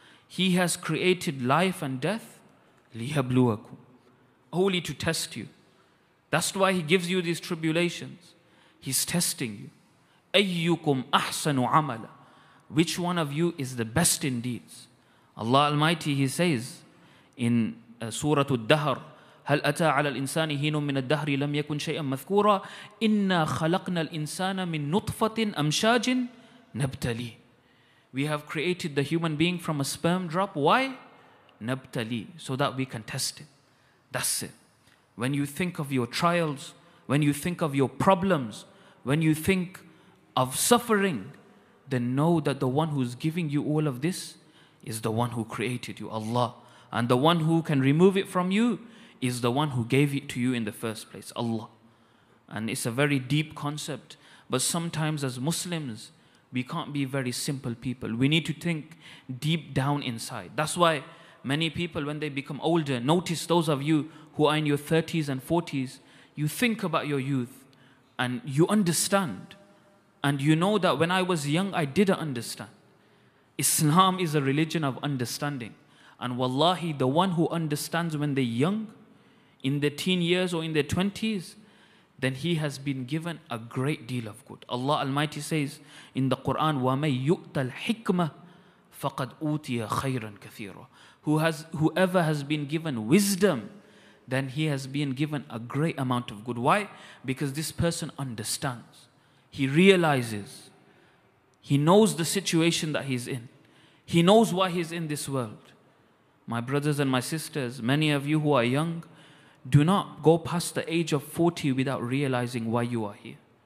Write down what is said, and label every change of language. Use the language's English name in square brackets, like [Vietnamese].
[English] He has created life and death. [Arabic] Liyabluwakum. [English] Only to test you. That's why he gives you these tribulations. He's testing you. [Arabic] Ayyukum ahsanu amala. [English] Which one of you is the best in deeds? Allah Almighty, he says in Surah Al-Dahr, [Arabic] هَلْ أَتَى عَلَى الْإِنسَانِ هِينٌ مِّنَ الدَّهْرِ لَمْ يَكُنْ شَيْئًا مَذْكُورًا إِنَّا خَلَقْنَا الْإِنسَانَ مِن نُطْفَةٍ أَمْشَاجٍ نَبْتَلِي. [English] We have created the human being from a sperm drop. Why? [Arabic] نَبْتَلِي. [English] So that we can test it. That's it. When you think of your trials, when you think of your problems, when you think of suffering, then know that the one who's giving you all of this is the one who created you, Allah. And the one who can remove it from you is the one who gave it to you in the first place, Allah. And it's a very deep concept. But sometimes as Muslims, we can't be very simple people. We need to think deep down inside. That's why many people, when they become older, notice those of you who are in your 30s and 40s, you think about your youth and you understand. And you know that when I was young, I didn't understand. Islam is a religion of understanding. And wallahi, the one who understands when they're young, in their teen years or in their 20s, then he has been given a great deal of good. Allah Almighty says in the Quran, [Arabic] وَمَن يُؤْتَ الْحِكْمَةِ فَقَدْ أُوتِيَ خَيْرًا كَثِيرًا. [English] Whoever has been given wisdom, then he has been given a great amount of good. Why? Because this person understands. He realizes. He knows the situation that he's in. He knows why he's in this world. My brothers and my sisters, many of you who are young, do not go past the age of 40 without realizing why you are here.